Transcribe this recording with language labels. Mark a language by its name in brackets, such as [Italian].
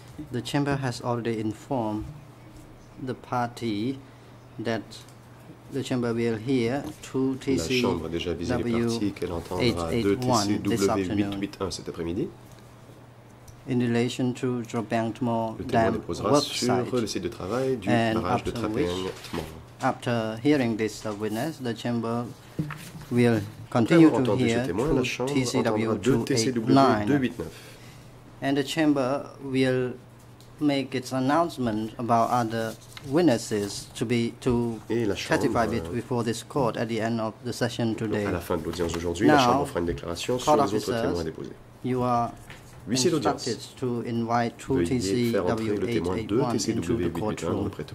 [English] The chamber has already informed the party that the chamber will hear two TC. [French] La chambre a déjà avisé les parties qu'elle entendra deux TCW881 cet après-midi. [English] In relation to Drobengtmor Dam worksite, and after which, after hearing this witness, the chamber will continue to hear TCW 289, and the chamber will make its announcement about other witnesses to testify before this court at the end of the session today. [French] À la fin de l'audience aujourd'hui, la chambre fera une déclaration sur les autres témoins déposés. [English] You are instructed to invite two TCW 881 into the courtroom.